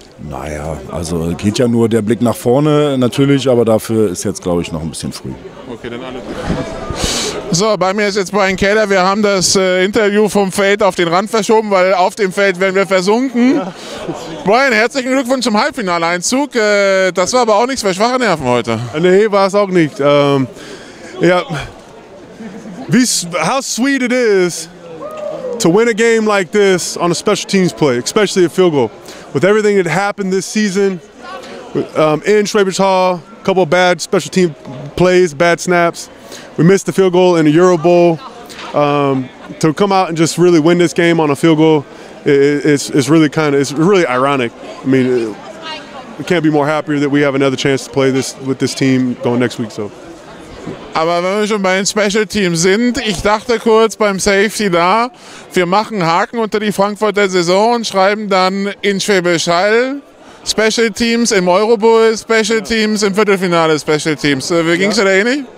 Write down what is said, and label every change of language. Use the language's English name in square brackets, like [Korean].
[German] Naja, also geht ja nur der Blick nach vorne natürlich, aber dafür ist jetzt, glaube ich, noch ein bisschen früh. Okay, dann alles klar. So, bei mir ist jetzt Brian Keller. Wir haben das Interview vom Feld auf den Rand verschoben, weil auf dem Feld werden wir versunken. Ja. Brian, herzlichen Glückwunsch zum Halbfinaleinzug. Das war aber auch nichts für schwache Nerven heute. Nee, war es auch nicht. [English] Ja, how sweet it is to win a game like this on a special teams play, especially a field goal. With everything that happened this season in Schwabish Hall, a couple of bad special team plays, bad snaps. We missed the field goal in the Euro Bowl. To come out and just really win this game on a field goal, it's really ironic. I mean, we can't be more happier that we have another chance to play this with this team going next week. So. [German] Aber wenn wir schon bei den Special Teams sind, ich dachte kurz beim Safety da, wir machen Haken unter die Frankfurter Saison und schreiben dann in Schwäbisch Hall Special Teams, im Euro Bowl Special Teams, im Viertelfinale Special Teams. Wie ging es dir da ähnlich?